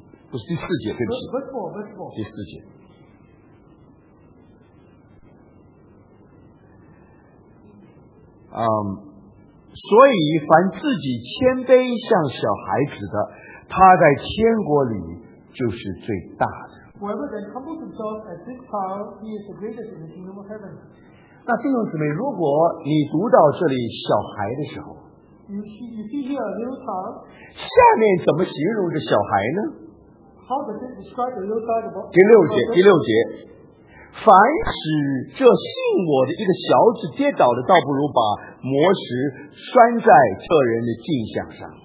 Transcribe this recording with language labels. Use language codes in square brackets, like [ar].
[zh] 不是第四节，对不起。第四节。所以凡自己谦卑像小孩子的，他在天国里就是最大的。 [en] Whoever then humbles himself as this child, he is the greatest in the kingdom of heaven. [zh] 那弟兄姊妹，如果你读到这里小孩的时候， [en] you see here a little child. [zh] 下面怎么形容这小孩呢？ [en] How does it describe the little child about? [zh] 第六节。凡使这信我的一个小子跌倒的，倒不如把磨石拴在这人的颈项上。